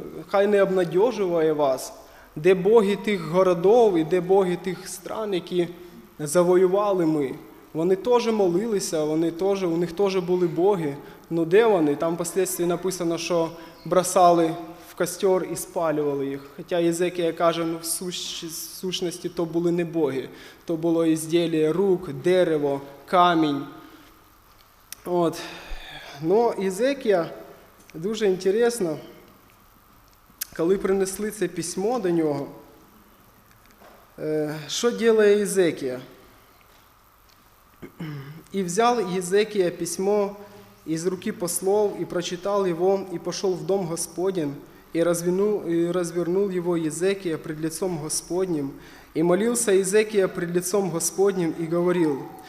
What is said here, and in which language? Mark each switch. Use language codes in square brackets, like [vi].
[ru] Хай не обнадеживает вас, где боги тих городов и где боги тих стран, которые завоювали мы? [uk] Вони теж молилися, вони теж, у них теж були боги. Ну де вони? [ru] Там впоследствии написано, [uk] що бросали в костер і спалювали їх. Хоча Єзекія каже, ну в сущності то були не боги. То було ізделіє рук, дерево, камінь. От. Ну, Єзекія, дуже інтересно, коли принесли це письмо до нього, що діляє Єзекія? [ru] «И взял Иезекия письмо из руки послов, и прочитал его, и пошел в дом Господень, и развернул его Иезекия пред лицом Господним, и молился Иезекия пред лицом Господним, и говорил,